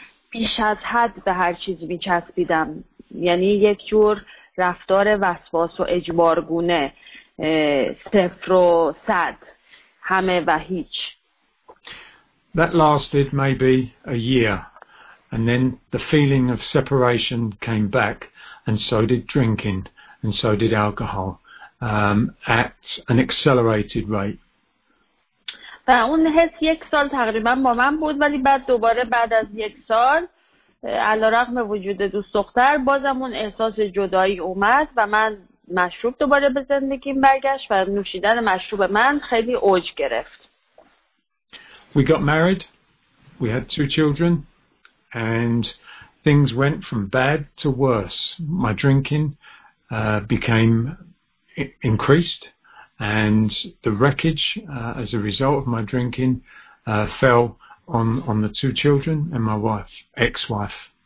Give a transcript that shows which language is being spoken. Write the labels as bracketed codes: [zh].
[fa] بیش از حد به هر چیز میچسبیدم، یعنی یک جور رفتار وسواس و اجبارگونه، صفر و صد، همه و هیچ. [en] That lasted maybe a year, and then the feeling of separation came back, and so did drinking, and so did alcohol, at an accelerated rate. [fa] و اون حس یک سال تقریبا با من بود، ولی بعد دوباره بعد از یک سال علی‌رغم وجود دوست دختر بازم اون احساس جدایی اومد و من مشروب دوباره به زندگیم برگشت و نوشیدن مشروب من خیلی اوج گرفت. [en] We got married, we had two children, and things went from bad to worse. My drinking became increased, and the wreckage as a result of my drinking fell on the two children and my wife, ex-wife.